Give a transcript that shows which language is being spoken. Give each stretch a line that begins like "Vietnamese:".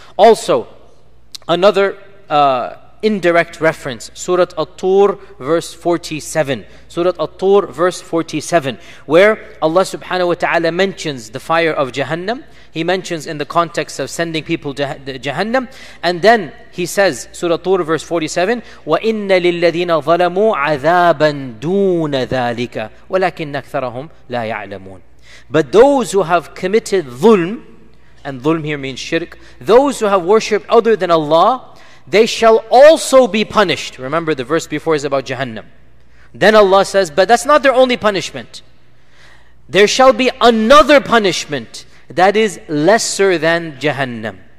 English: Also, another indirect reference, Surat At-Tur verse 47. Surat At-Tur verse 47, where Allah subhanahu wa ta'ala mentions the fire of Jahannam. He mentions in the context of sending people to Jahannam. And then he says, Surah At-Tur verse 47,
Arabic: وَإِنَّ لِلَّذِينَ ظَلَمُوا عَذَابًا دُونَ ذَٰلِكَ وَلَكِنَّ أَكْثَرَهُمْ لَا يَعْلَمُونَ.
English: But those who have committed ظُلْم, and ظُلْم here means shirk, those who have worshipped other than Allah, they shall also be punished. Remember, the verse before is about Jahannam. Then Allah says, but that's not their only punishment. There shall be another punishment that is lesser than Jahannam.